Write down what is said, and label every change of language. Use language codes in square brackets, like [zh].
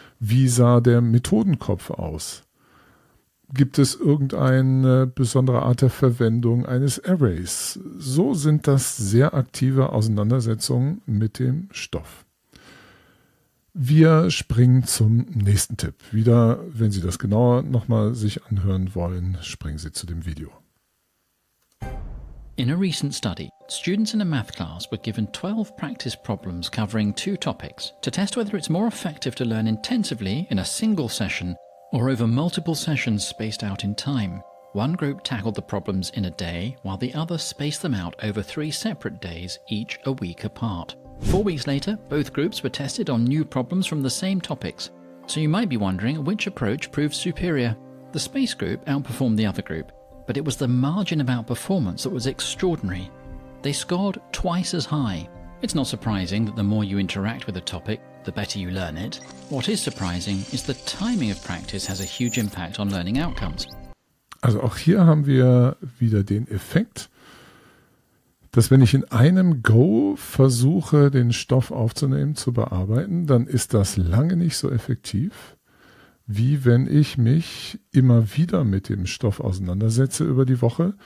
[de] Wie sah der Methodenkopf aus? Gibt es irgendeine besondere Art der Verwendung eines Arrays? So sind das sehr aktive Auseinandersetzungen mit dem Stoff. Wir springen zum nächsten Tipp. Wieder, wenn Sie das genauer nochmal sich anhören wollen, springen Sie zu dem Video. [en] In a recent study, students in a math class were given 12 practice problems covering two topics to test whether it's more effective to learn intensively in a single session or over multiple sessions spaced out in time. One group tackled the problems in a day, while the other spaced them out over three separate days, each a week apart. 4 weeks later, both groups were tested on new problems from the same topics. So you might be wondering which approach proved superior. The space group outperformed the other group, but it was the margin of outperformance that was extraordinary. They scored twice as high. It's not surprising that the more you interact with a topic, the better you learn it. What is surprising is the timing of practice has a huge impact on learning outcomes. [de] Also auch hier haben wir wieder den Effekt, dass wenn ich in einem Go versuche, den Stoff aufzunehmen, zu bearbeiten, dann ist das lange nicht so effektiv, wie wenn ich mich immer wieder mit dem Stoff auseinandersetze über die Woche.